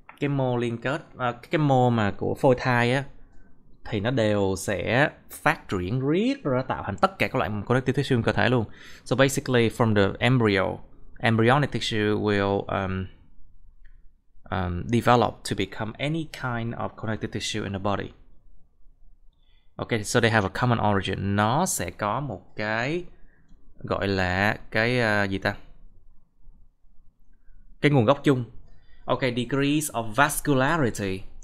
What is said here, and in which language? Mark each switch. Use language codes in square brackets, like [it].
[vi] Cái mô liên kết, cái mô mà của phôi thai á thì nó đều sẽ phát triển riết ra tạo thành tất cả các loại connective tissue cơ thể luôn. [en] So basically from the embryonic tissue will develop to become any kind of connective tissue in the body. Okay, so they have a common origin. [vi] Nó sẽ có một cái gọi là cái gì ta? Cái nguồn gốc chung. [en] Okay, degrees of vascularity.